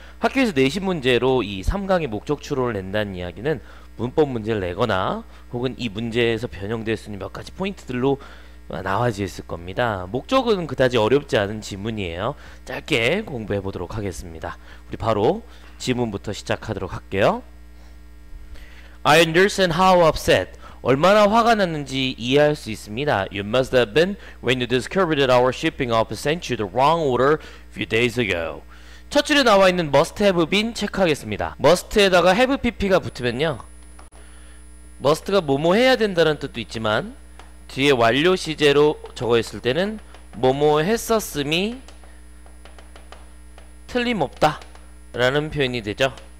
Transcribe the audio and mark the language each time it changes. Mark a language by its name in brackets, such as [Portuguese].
[Korean] 학교에서 내신 문제로 이 3강의 목적 추론을 낸다는 이야기는 문법 문제를 내거나 혹은 이 문제에서 변형될 수 있는 몇 가지 포인트들로 나와지었을 겁니다. 목적은 그다지 어렵지 않은 지문이에요. 짧게 공부해 보도록 하겠습니다. 우리 바로 지문부터 시작하도록 할게요. [English] I understand how upset. [Korean] 얼마나 화가 났는지 이해할 수 있습니다. [English] You must have been when you discovered that our shipping office sent you the wrong order a few days ago. [Korean] 첫 줄에 나와 있는 [English] must have been [Korean] 체크하겠습니다. must에다가 have pp가 붙으면요. must가 뭐뭐 해야 된다는 뜻도 있지만 뒤에 완료 시제로 적어 있을 때는 뭐뭐 했었음이 틀림없다 라는 표현이 되죠.